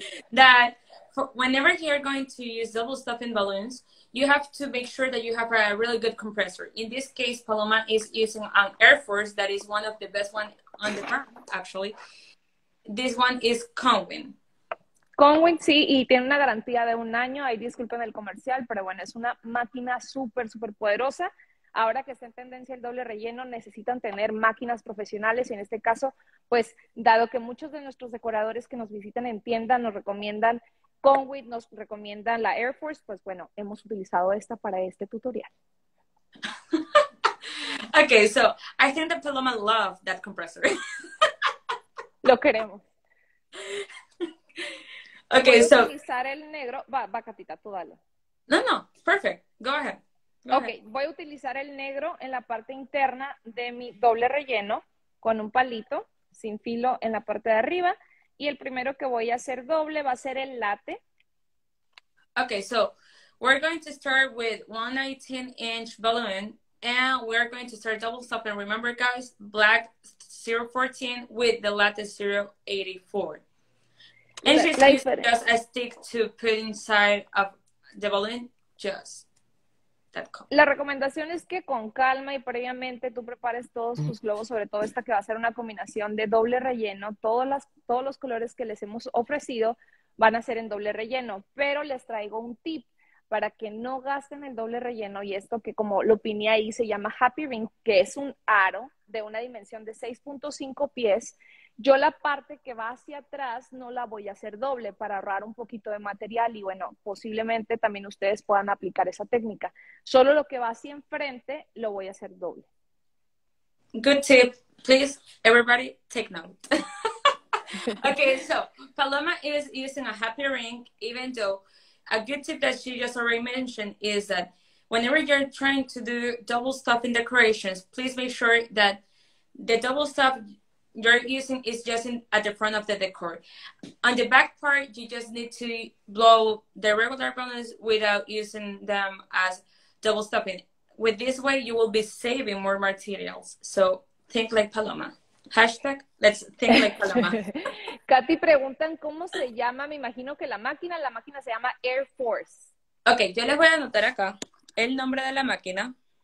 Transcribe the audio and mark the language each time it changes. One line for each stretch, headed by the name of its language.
English: That whenever you're going to use double stuffing balloons, you have to make sure that you have a really good compressor. In this case, Paloma is using an Air Force that is one of the best ones on the market, actually. This one is Conwin.
Spanish: Conwin, sí, y tiene una garantía de un año. Ahí disculpen el comercial, pero bueno, es una máquina súper, súper poderosa. Ahora que está en tendencia el doble relleno, necesitan tener máquinas profesionales. Y en este caso, pues, dado que muchos de nuestros decoradores que nos visitan en tienda nos recomiendan Conwin, nos recomiendan la Air Force, pues bueno, hemos utilizado esta para este tutorial.
English: Okay, so I think that Paloma loves that compressor.
Spanish: Lo queremos.
English: Okay, so.
Spanish: Utilizar el negro. Va, Katita, tú dale.
English: No, perfect. Go ahead.
Spanish: Okay, voy a utilizar el negro en la parte interna de mi doble relleno con un palito sin filo en la parte de arriba. Y el primero que voy a hacer doble va a ser el latte.
English: Okay, so we're going to start with 1 18-inch balloon and we're going to start double stop. And remember, guys, black 014 with the latte 084. And just a stick to put inside of the balloon, just.
Spanish: tal cual. La recomendación es que con calma y previamente tú prepares todos tus globos, sobre todo esta que va a ser una combinación de doble relleno. Todos los colores que les hemos ofrecido van a ser en doble relleno, pero les traigo un tip para que no gasten el doble relleno, y esto que como lo pinté ahí se llama Happy Ring, que es un aro de una dimensión de 6.5 pies. Yo la parte que va hacia atrás no la voy a hacer doble para ahorrar un poquito de material, y bueno, posiblemente también ustedes puedan aplicar esa técnica. Solo lo que va hacia enfrente lo voy a hacer doble.
English: Good tip. Please, everybody, take note. Okay, so Paloma is using a happy ring, even though a good tip that she just already mentioned is that whenever you're trying to do double stuff in decorations, please make sure that the double stuff you're using is just in, at the front of the decor. On the back part, you just need to blow the regular balloons without using them as double stuffing. With this way, you will be saving more materials. So think like Paloma. Hashtag, let's think like Paloma.
Spanish: Katy, preguntan cómo se llama, me imagino que la máquina se llama Air Force. Ok, yo les voy a anotar acá el nombre de la máquina.